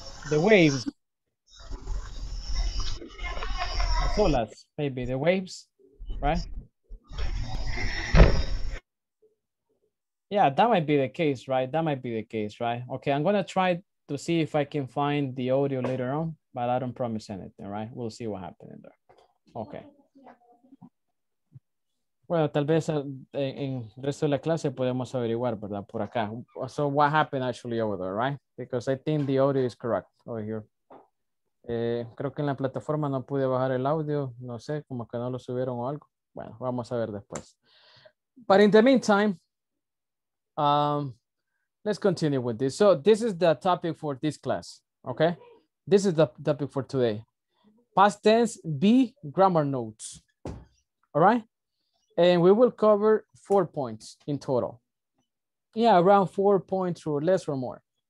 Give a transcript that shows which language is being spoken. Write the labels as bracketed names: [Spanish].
[English] The waves. [Spanish] Las olas, [English] maybe. The waves, right? Yeah, that might be the case, right? That might be the case, right? Okay, I'm going to try to see if I can find the audio later on, but I don't promise anything, right? We'll see what happened in there. Okay. [Spanish] Bueno, tal vez en resto de la clase podemos averiguar, ¿verdad? Por acá. [English] So what happened actually over there, right? Because I think the audio is correct over here. [Spanish] Creo que en la plataforma no pude bajar el audio. No sé, como que no lo subieron o algo. Bueno, vamos a ver después. [English] But in the meantime, let's continue with this. So this is the topic for this class, okay? This is the topic for today. Past tense, B, grammar notes, all right? And we will cover 4 points in total. Yeah, around 4 points or less or more.